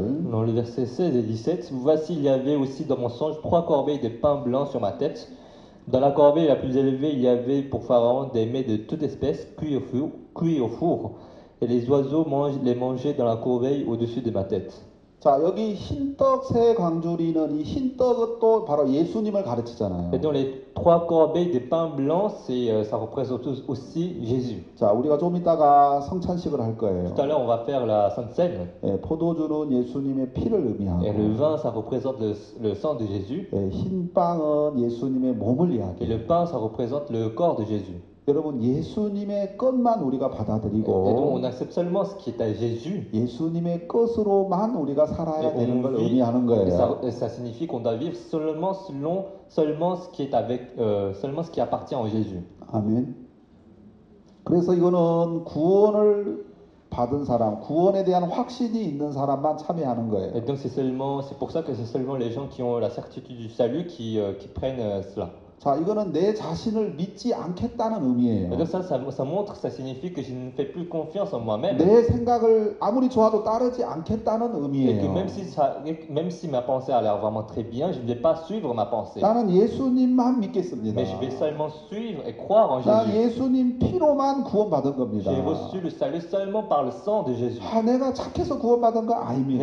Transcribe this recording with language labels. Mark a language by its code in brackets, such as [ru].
[fr] Dans les versets 16 et 17 Voici, il y avait aussi dans mon songe trois corbeilles de pain blanc sur ma tête. Dans la corbeille la plus élevée, il y avait pour Pharaon des mets de toute espèce cuits au four. Et les oiseaux les mangeaient dans la corbeille au-dessus de ma tête. [ko] 자 여기 흰떡 세 광주리는 이 흰떡은 또 바로 예수님을 가르치잖아요. [fr] Et donc les trois corbeilles de pain blanc, ça représente aussi Jésus. [ko] 자 우리가 좀 이따가 성찬식을 할 거예요. [fr] Tout à l'heure on va faire la Sainte Cène. [ko] 예, 포도주는 예수님의 피를 의미하고. [fr] Et le vin, ça représente le sang de Jésus. [ko] 예, 흰 빵은 예수님의 몸을 이야기. [fr] Et le pain, ça représente le corps de Jésus. [ko] 여러분 예수님의 것만 우리가 받아들이고 [fr] on accepte seulement ce qui est à Jésus. [ko] 예수님의 것으로만 우리가 살아야 되는 걸 의미하는 거예요. [fr] Ça signifie qu'on doit vivre seulement ce qui est avec seulement ce qui appartient à Jésus. [ko] 아멘. 그래서 이거는 구원을 받은 사람, 구원에 대한 확신이 있는 사람만 참여하는 거예요. [fr] Et donc c'est pour ça que c'est seulement les gens qui ont la certitude du salut qui prennent cela. [ko] 자 이거는 내 자신을 믿지 않겠다는 의미예요. [fr] Ça signifie que je ne fais plus confiance en moi-même. [ko] 내 생각을 아무리 좋아도 따르지 않겠다는 의미예요. [fr] Et que même si ma pensée a l'air vraiment très bien, je ne vais pas suivre ma pensée. [ko] 나는 예수님만 믿겠습니다. [fr] Mais je vais seulement suivre et croire en Jésus. [ko] 나는 예수님 피로만 구원받은 겁니다. [fr] J'ai reçu le salut seulement par le sang de Jésus. [ko] 아, 내가 착해서 구원받은 거 아닙니다.